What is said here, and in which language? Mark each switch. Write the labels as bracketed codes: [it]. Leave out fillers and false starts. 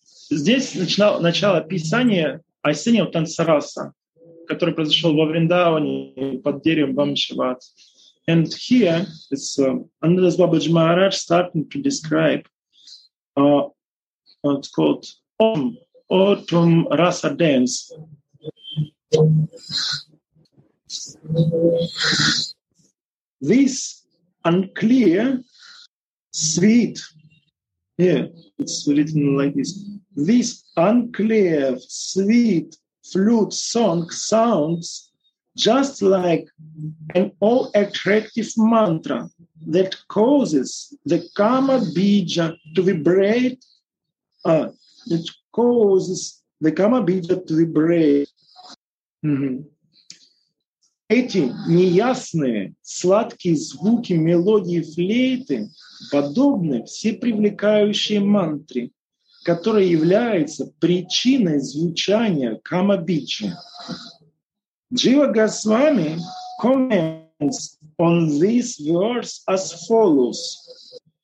[ru] Здесь начало описание осеннего танца раса, который произошел во Вриндаване под деревом Вамшиват. [en] And here it's Anandas Babaji Maharaj starting to describe what's called autumn rasa dance. This unclear, sweet, Yeah, it's written like this. This unclear, sweet flute song sounds just like an all-attractive mantra that causes the Kama Bija to vibrate, which causes the Kama Bija to vibrate. [ru] Эти неясные, сладкие звуки мелодии флейты подобны всепривлекающей мантре, которая является причиной звучания Камабиджи. Джива Госвами comments on this verse as follows.